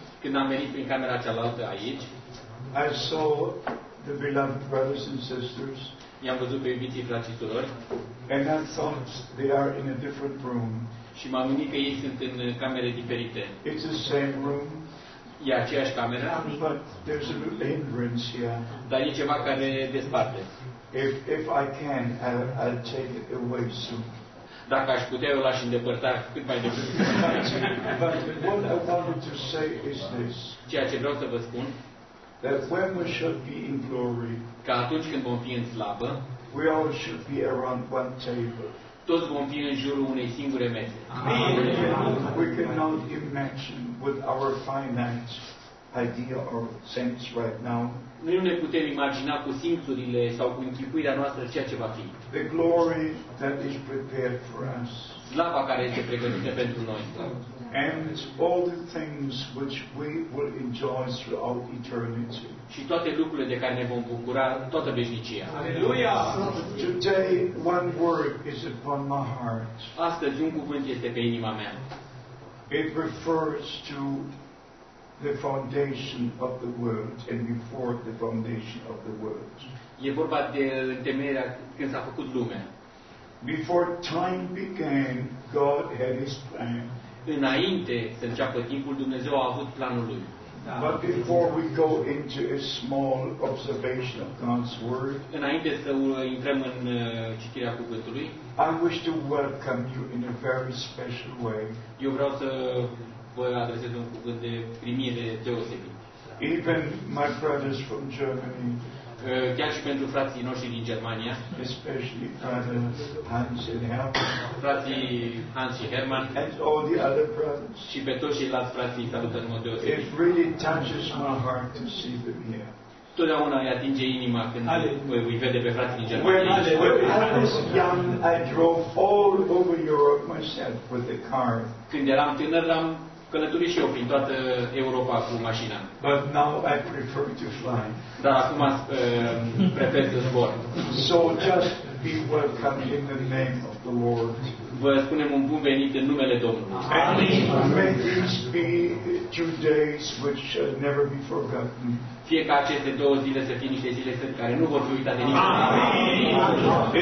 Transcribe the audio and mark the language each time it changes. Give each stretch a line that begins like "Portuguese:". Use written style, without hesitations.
Romanian: Când am venit prin camera cealaltă aici,
English: I saw the beloved brothers and sisters.
Romanian: I-am văzut pe iubiții fraților.
English: And I thought they are in a different room.
Romanian: Și m-am gândit că ei sunt în camere diferite.
English: It's the same room.
Romanian: E aceeași cameră.
English: But there's a little hindrance here.
Romanian: Dar e ceva care ne desparte.
English: If I can, I'll take it away soon.
Romanian: Dacă aș putea, eu l-aș îndepărta cât mai departe.
English: But what I wanted to say is this.
Romanian: Ceea ce vreau să vă spun.
English: That when we should be in glory.
Romanian: Că atunci când vom fi în slavă.
English: We all should be around one table.
Romanian: Toți vom fi în jurul unei singure mese.
English: We cannot imagine with our finance idea or sense right now.
Romanian: Noi nu ne putem imagina cu simțurile sau cu închipuirea noastră ceea ce va fi.
English: The glory that is prepared for us.
Romanian: Slava care este pregătită pentru noi.
English: And all the things which we will enjoy throughout eternity.
Romanian: Și toate lucrurile de care ne vom bucura toată veșnicia. Aleluia!
English: Today one word is upon my heart.
Romanian: Astăzi un cuvânt este pe inima mea.
English: It refers to the foundation of the world and before the foundation of the world.
Romanian: E vorba de temerea când s-a făcut lumea.
English: Before time began, God had his plan.
Romanian: Înainte să înceapă timpul, Dumnezeu a avut planul lui.
English: But before we go into a small observation of God's word,
Romanian: înainte să intrăm în citirea cuvântului,
English: I wish to welcome you in a very special way.
Romanian: Eu vreau să vă adresez un cuvânt de primire deosebit.
English: Even my brothers from Germany.
Romanian: Chiar și pentru frații noștri din Germania.
English: Especially brothers Hans and Hermann.
Romanian: Frații Hans și Hermann.
English: And all the other brothers.
Romanian: Și pe toți ceilalți frații salută în mod deosebit.
English: It really touches my heart to see them here.
Romanian: Totdeauna îi atinge inima când îi vede pe frații din Germania.
English: When I was young, I drove all over Europe myself with the car.
Romanian: Când eram tânăr, am călătorit și eu prin toată Europa cu mașina.
English: But now I prefer to fly.
Romanian: Dar acum prefer să zbor.
English: So just be welcome in the name of the Lord.
Romanian: Vă spunem un bun venit în numele Domnului.
English: May these be two days which shall never be forgotten.
Romanian: Fie ca aceste două zile să fie niște zile sfânte care nu vor fi uitate niciodată.